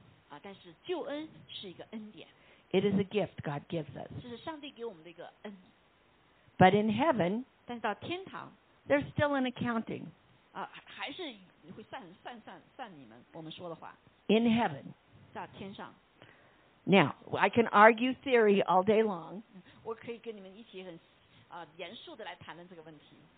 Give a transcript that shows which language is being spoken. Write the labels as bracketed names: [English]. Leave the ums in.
[Chinese] 啊，但是救恩是一个恩典。 [English] It is a gift God gives us. [Chinese] 这是上帝给我们的一个恩。 [English] But in heaven, there's still an accounting. [Chinese] 啊，还是会算算算算你们我们说的话。 [English] In heaven， [Chinese] 在天上。 [English] Now I can argue theory all day long. [Chinese] 我可以跟你们一起很啊、呃、严肃的来谈论这个问题。